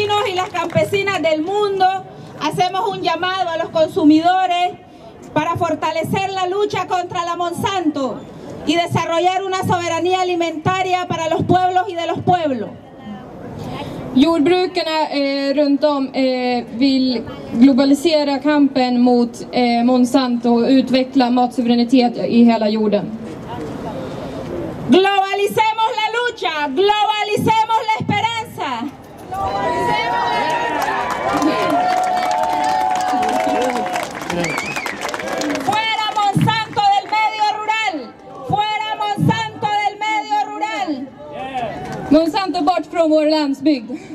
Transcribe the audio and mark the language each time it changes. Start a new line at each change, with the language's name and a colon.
Spanish: Y las campesinas del mundo hacemos un llamado a los consumidores para fortalecer la lucha contra la Monsanto y desarrollar una soberanía alimentaria para los pueblos y de los pueblos.
Swedish: Jordbrukarna runt om vill globalisera kampen mot Monsanto och utveckla matsuveränitet i hela jorden.
Spanish: Globalicemos la lucha, globalicemos la esperanza. Fuera Monsanto del medio rural. Fuera Monsanto del medio rural.
Swedish: Monsanto bort från vår landsbygd.